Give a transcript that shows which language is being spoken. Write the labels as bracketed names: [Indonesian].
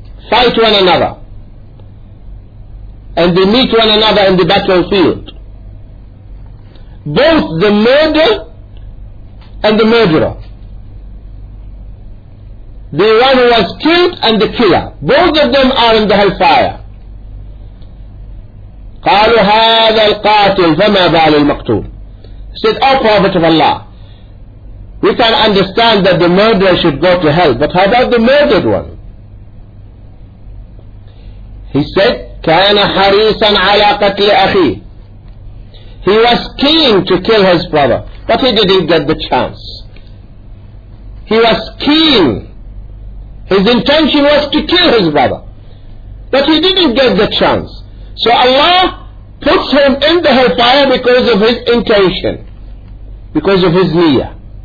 [English] fight one another, and they meet one another in the battlefield. Both the murderer and the murderer. The one who was killed and the killer. Both of them are in the hellfire. [Arabic] قالوا هذا القاتل فما بال المقتول. [English] Said, O Prophet of Allah, we can understand that the murderer should go to hell, but how about the murdered one? He said, [Arabic] كان حريصا على قتل أخيه. [English] He was keen to kill his brother, but he didn't get the chance. He was keen. His intention was to kill his brother, but he didn't get the chance. So Allah puts him in the hellfire because of his intention, because of his niyyah.